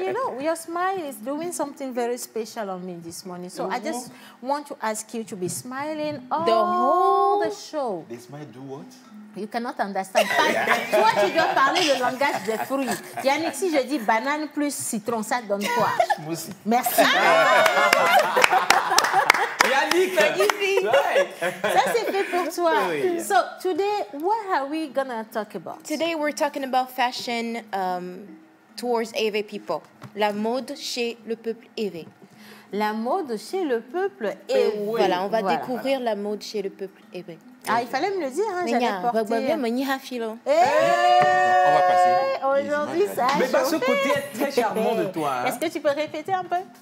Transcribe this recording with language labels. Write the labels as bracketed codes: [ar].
[en] You know, your smile is doing something very special on me this morning. So I just want to ask you to be smiling all the show. This might do what? You cannot understand. [fr] Toi, tu dois parler le langage des fruits. Yannick, si je dis banane plus citron, ça donne quoi? Moussi. Merci. Yannick, magnifique. Ça, c'est fait pour toi. Oui. [en] So today, what are we going to talk about? Today, we're talking about fashion towards Ewe people. [fr] La mode chez le peuple Ewe. La mode chez le peuple Ewe. Voilà, on va découvrir la mode chez le peuple Ewe. Ah, il fallait me le dire, hein, j'allais porter. on va passer. Aujourd'hui, ça a chauffé. Mais ce côté est très charmant de toi. Est-ce que tu peux répéter un peu?